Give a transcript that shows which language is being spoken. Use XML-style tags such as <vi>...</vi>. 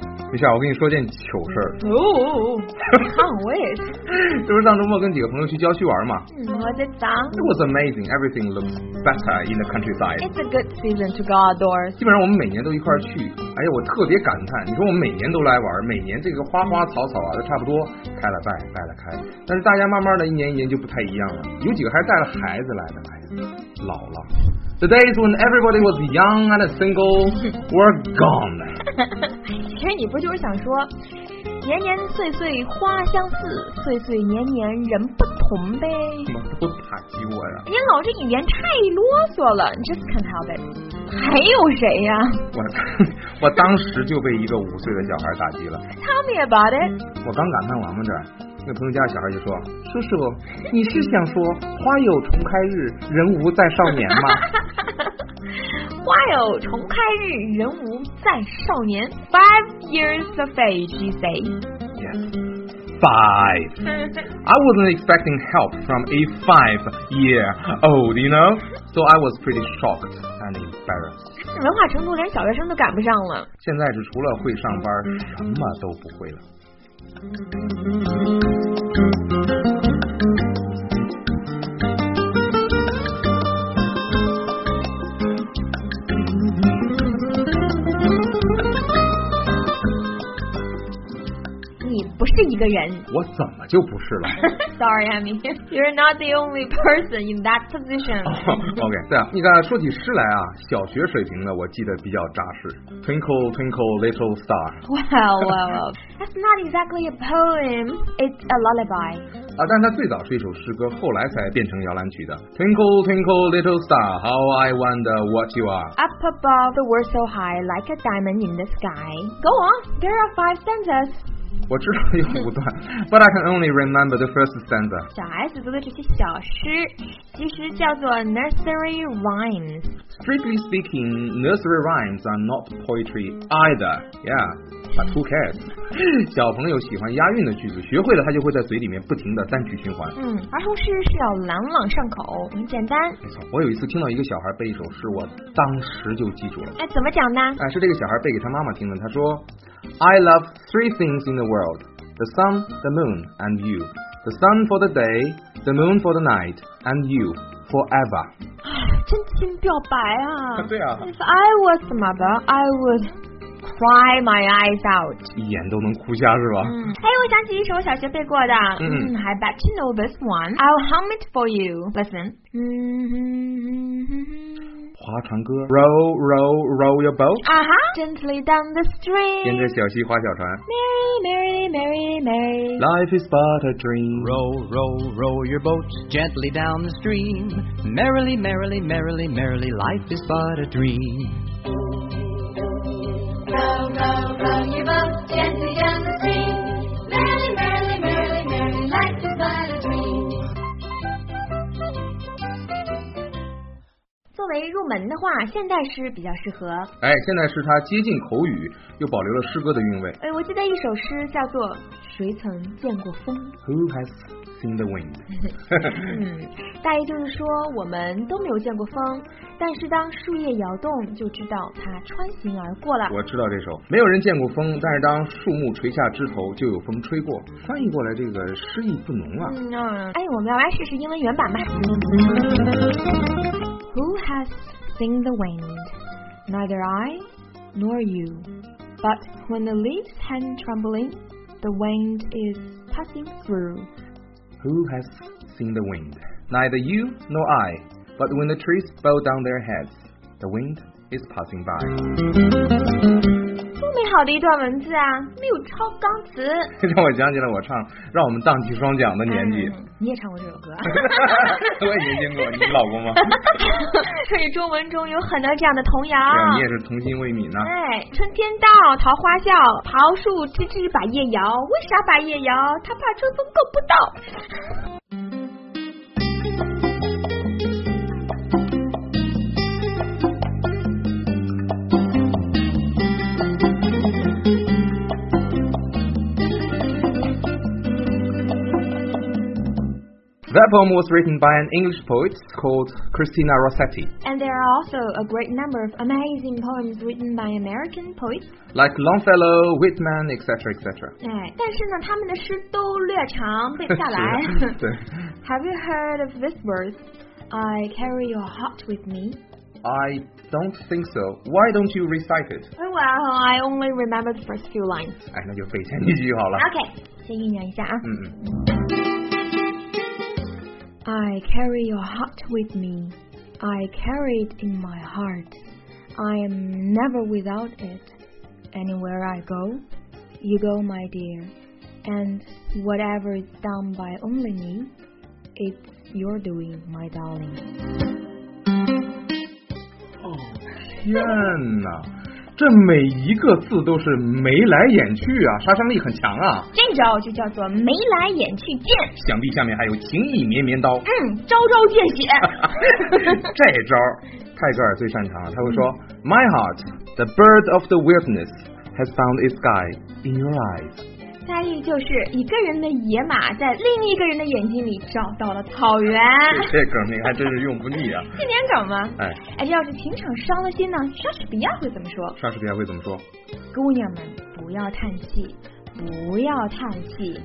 <zh>一下，我跟你说件糗事儿。哦，看我也是。就是上周末跟几个朋友去郊区玩嘛。</zh> <en>What a day! It was amazing. Everything looked better in the countryside. It's a good season to go outdoors.</en> <zh>基本上我们每年都一块去。哎呀，我特别感叹，你说我们每年都来玩，每年这个花花草草啊，都差不多开了败，败了开。但是大家慢慢的，一年一年就不太一样了。有几个还带了孩子来的，哎呀，老了。</zh> <en>The days when everybody was young and single were gone.</en> <zh>其实你不就是想说，年年岁岁花相似，岁岁年年人不同呗？怎么不打击我呀？你老这语言太啰嗦了 ，</zh> <en>just can't help it。</en> <zh>还有谁呀？我当时就被一个五岁的小孩打击了。</zh> <en>Tell me about it。</en> <zh>我刚感叹完嘛，这那朋友家的小孩就说：“叔叔，你是想说花有重开日，人无再少年吗？” 花有重开日，人无再少年。</zh> <en>Five years of age, she said. Yes, five. I wasn't expecting help from a five-year-old, you know. So I was pretty shocked and embarrassed.</en> <zh>文化程度连小学生都赶不上了。现在是除了会上班，什么都不会了。不是一个人，我怎么就不是了</zh> <en>？Sorry, Amy, you're not the only person in that position.</en> <zh>OK, 对啊，你看说起诗来啊，小学水平呢，我记得比较扎实。</zh> <en>Twinkle, twinkle, little star. Well, well, well, that's not exactly a poem. It's a lullaby.</en> <zh>啊，但它最早是一首诗歌，后来才变成摇篮曲的。</zh> <en>Twinkle, twinkle, little star, how I wonder what you are. Up above the world so high, like a diamond in the sky. Go on, there are five stanzas.</en> <zh>我知道有五段</zh> <en>But I can only remember the first stanza</en> <zh>小孩子读的这些小诗其实叫做 nursery rhymes</zh> <en>Strictly speaking, nursery rhymes are not poetry either Yeah, but who cares</en> <zh>小朋友喜欢押韵的句子学会了他就会在嘴里面不停的单曲循环嗯，儿童诗是要朗朗上口很简单我有一次听到一个小孩背一首诗我当时就记住了哎，怎么讲呢哎，是这个小孩背给他妈妈听的他说</zh> <en>I love three things in the world, the sun, the moon, and you. The sun for the day, the moon for the night, and you forever.</en> <zh>真心表白啊。对啊。</zh> <en>If I was the mother, I would cry my eyes out.</en> <zh>一眼都能哭瞎是吧？嗯。哎，我想起一首小学背过的。</zh> <en>嗯。I bet you know this one. I'll hum it for you. Listen. 嗯。划船歌 Row, row, row your boat、 uh-huh. Gently down the stream</en> <zh>沿着小溪划小船</zh> <en>Merry, merry, merry, merry Life is but a dream Row, row, row your boat Gently down the stream Merrily, merrily, merrily, merrily Life is but a dream Row, row, row your boat Gently down the stream Merrily, merrily, merrily, merrily Life is but a dream</en> <zh>作为入门的话现代诗比较适合哎，现代诗它接近口语又保留了诗歌的韵味哎，我记得一首诗叫做谁曾见过风</zh> <en>Who has seen the wind 、</en> <zh>嗯、大意就是说我们都没有见过风但是当树叶摇动就知道它穿行而过了我知道这首没有人见过风但是当树木垂下枝头就有风吹过翻译过来这个诗意不浓啊、嗯、哎，我们要来试试英文原版吧</zh> <en>Who has seen the wind? Neither I nor you. But when the leaves hang trembling, the wind is passing through. Who has seen the wind? Neither you nor I. But when the trees bow down their heads, the wind is passing by.</en> <zh>多美好的一段文字啊，没有超纲词。让我想起了我唱《让我们荡起双桨》的年纪。你也唱过这首歌我也年轻过你老公吗所以中文中有很多这样的童谣你也是童心未泯呢、哎、春天到桃花笑桃树枝枝把叶摇为啥把叶摇他怕春风够不到</zh> <en>That poem was written by an English poet called Christina Rossetti. And there are also a great number of amazing poems written by American poets. Like Longfellow, Whitman, etc, etc.</en> <zh>对，但是呢，他们的诗都略长，背不下来。对。</zh> <en>Have you heard of this verse? I carry your heart with me. I don't think so. Why don't you recite it? Well, I only remember the first few lines.</en> <zh>哎，那就背前几句好了。 OK, 先酝酿一下啊。嗯嗯。</zh> <en>I carry your heart with me. I carry it in my heart. I am never without it. Anywhere I go, you go, my dear. And whatever is done by only me, it's your doing, my darling.</en> <zh>哦，天哪！这每一个字都是眉来眼去啊，杀伤力很强啊。这招就叫做眉来眼去剑。想必下面还有情意绵绵刀。嗯，招招见血。这招泰戈尔最擅长了，他会说、</zh> <en>My heart, the bird of the wilderness, has found its guide in your eyes.</en> <zh>大意就是一个人的野马在另一个人的眼睛里找到了草原。这梗你还真是用不腻啊。经典梗吗？哎，要是情场伤了心呢，莎士比亚会怎么说？莎士比亚会怎么说？姑娘们，不要叹气，不要叹气。</zh>